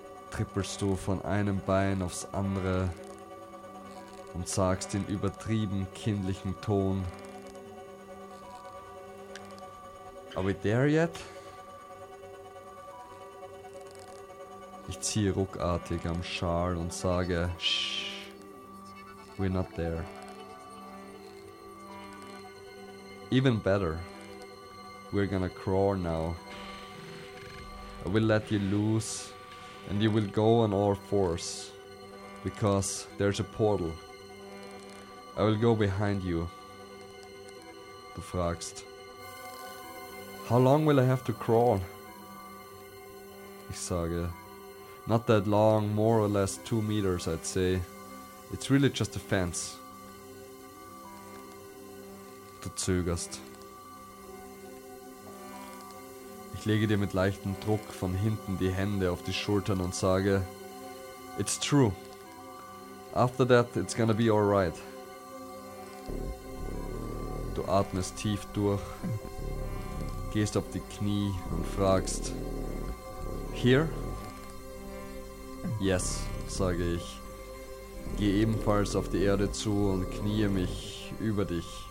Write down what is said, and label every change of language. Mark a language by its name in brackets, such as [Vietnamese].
[German] Trippelst du von einem Bein aufs andere und sagst in übertrieben kindlichem Ton: [English] Are we there yet? [German] Ich ziehe ruckartig am Schal und sage: [English] Shh, we're not there. Even better, we're gonna crawl now. I will let you loose and you will go on all fours, because there's a portal. I will go behind you. [German] Du fragst: [English] How long will I have to crawl? [German] Ich sage: [English] Not that long, more or less 2 meters, I'd say. It's really just a fence. [German] Du zögerst. Ich lege dir mit leichtem Druck von hinten die Hände auf die Schultern und sage: [English] It's true. After that, it's gonna be alright. [German] Du atmest tief durch, gehst auf die Knie und fragst: Here? Yes, sage ich. Geh ebenfalls auf die Erde zu und knie mich über dich.